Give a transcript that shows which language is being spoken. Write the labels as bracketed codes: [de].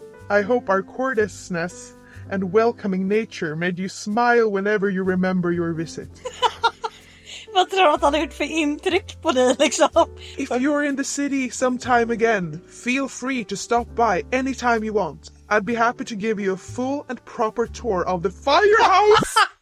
[en] I hope our cordousness and welcoming nature made you smile whenever you remember your visit. [sv] Vad tror du att han har gjort för intryck på dig liksom? [en] If you're in the city sometime again, feel free to stop by anytime you want. I'd be happy to give you a full and proper tour of the firehouse.